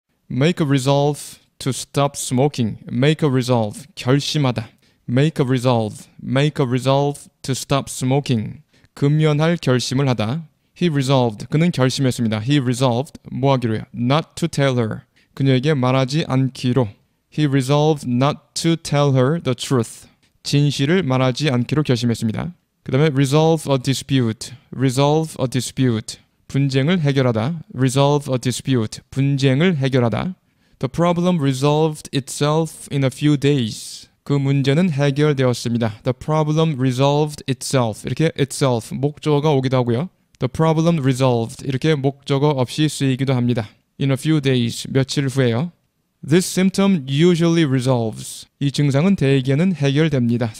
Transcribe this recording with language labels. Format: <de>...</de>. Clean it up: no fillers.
<en>make a resolve to stop smoking. make a resolve, 결심하다. make a resolve, make a resolve to stop smoking.</en> <ko>금연할 결심을 하다.</ko> <en>He resolved.</en> <ko>그는 결심했습니다. He resolved. 뭐 하기로요?</ko> <en>Not to tell her.</en> <ko>그녀에게 말하지 않기로.</ko> <en>He resolved not to tell her the truth.</en> <ko>진실을 말하지 않기로 결심했습니다. 그 다음에</ko> <en>resolve a dispute. Resolve a dispute.</en> <ko>분쟁을 해결하다.</ko> <en>Resolve a dispute.</en> <ko>분쟁을 해결하다.</ko> <en>The problem resolved itself in a few days.</en> <ko>그 문제는 해결되었습니다.</ko> <en>The problem resolved itself.</en> <ko>이렇게</ko> <en>itself,</en> <ko>목적어가 오기도 하고요.</ko> <en>The problem resolved.</en> <ko>이렇게 목적어 없이 쓰이기도 합니다.</ko> <en>In a few days,</en> <ko>며칠 후에요.</ko> <en>This symptom usually resolves.</en> <ko>이 증상은 대개는 해결됩니다.</ko>